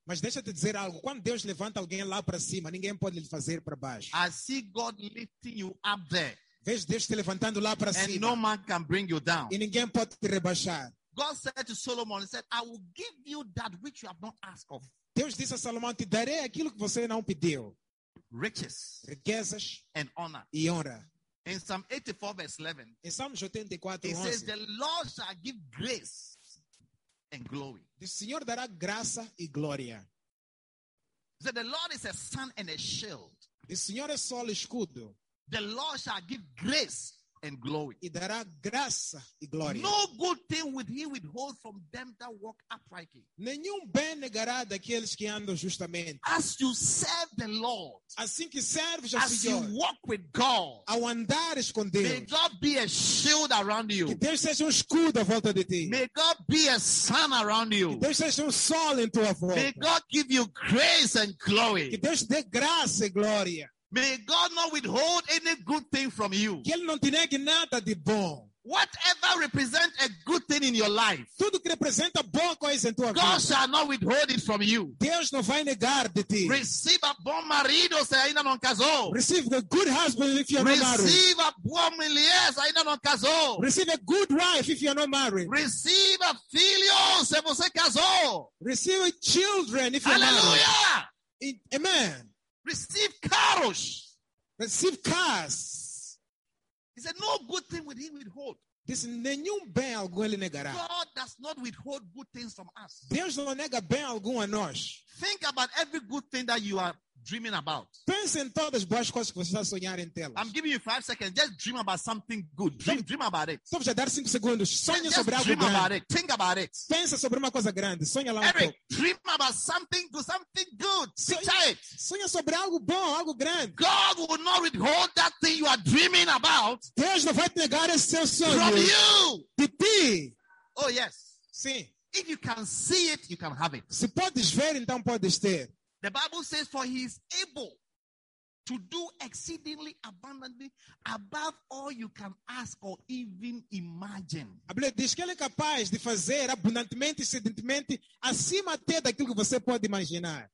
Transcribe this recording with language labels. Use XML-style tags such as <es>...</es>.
<pt>Mas deixa eu te dizer algo. Quando Deus levanta alguém lá para cima, ninguém pode lhe fazer para baixo.</pt> <en>I see God lifting you up there.</en> <pt>Vejo Deus te levantando lá para cima.</pt> <en>And no man can bring you down.</en> <pt>E ninguém pode te rebaixar.</pt> <en>God said to Solomon, he said, I will give you that which you have not asked of.</en> <pt>Deus disse a Salomão, te darei aquilo que você não pediu.</pt> <en>Riches.</en> <pt>Riquezas.</pt> <en>And honor.</en> <pt>E honra.</pt> <en>In Psalm 84, verse 11.</en> <pt>Em Salmos 84,</pt> <en>verse 11. It says, the Lord shall give grace. And glory.</en> <pt>O Senhor dará graça e glória.</pt> <en>So the Lord is a sun and a shield.</en> <pt>O Senhor é sol e escudo.</pt> <en>The Lord shall give grace and glory.</en> <pt>E dará graça e glória.</pt> <en>No good thing would he withhold from them that walk uprightly.</en> <pt>Nenhum bem negará daqueles que andam justamente.</pt> <en>As you serve the Lord.</en> <pt>Assim que serves ao Senhor.</pt> <en>As you walk with God.</en> <pt>Ao andar com Deus.</pt> <en>May God be a shield around you.</en> <pt>Que Deus seja escudo à volta de ti.</pt> <en>May God be a sun around you.</en> <pt>Que Deus seja sol em tua volta.</pt> <en>May God give you grace and glory.</en> <pt>Que Deus dê graça e glória.</pt> <en>May God not withhold any good thing from you.</en> <pt>Que Ele não te negue nada de bom.</pt> <en>Whatever represents a good thing in your life.</en> <pt>Tudo que representa boa coisa em tua vida.</pt> <en>God shall not withhold it from you.</en> <pt>Deus não vai negar de ti.</pt> <en>Receive</en> <pt>a bom marido se ainda não casou.</pt> <en>Receive a good husband if you are not married. Receive</en> <pt>a boa mulher se ainda não casou.</pt> <en>Receive a good wife if you are not married. Receive</en> <pt>a filho se você casou.</pt> <en>Receive children if you are married. Hallelujah. Amen. Receive carosh. Receive cars. He said, no good thing with him withhold.</en> <pt>This nenhum bem algum ele negará.</pt> <en>God does not withhold good things from us.</en> <pt>Deus não nega bem algum a nós.</pt> <en>Think about every good thing that you are dreaming about.</en> <pt>Pense em todas as boas coisas que você está sonhando em tê-las.</pt> <en>I'm giving you 5 seconds. Just dream about something good. Dream about it.</en> <pt>Só vou dar 5 segundos. Sonhe</pt> <en>just</en> <pt>sobre</pt> <en>dream</en> <pt>algo</pt> <en>about</en> <pt>grande.</pt> <en>It. Think about it.</en> <pt>Pensa sobre uma coisa grande. Sonha lá.</pt> <en>Eric, dream about something good. Something good.</en> <pt>Sonha sobre algo bom, algo grande.</pt> <en>God will not withhold that thing you are dreaming about.</en> <pt>Deus não vai te negar esse seu sonho.</pt> <en>From you.</en> <pt>De ti.</pt> <en>Oh, yes.</en> <pt>Sim.</pt> <en>If you can see it, you can have it.</en> <pt>Se podes ver, então podes ter.</pt> <en>The Bible says, for he is able to do exceedingly abundantly above all you can ask or even imagine.</en> <pt>A Bíblia diz que ele é capaz de fazer abundantemente, excedentemente, acima até daquilo que você pode imaginar.</pt>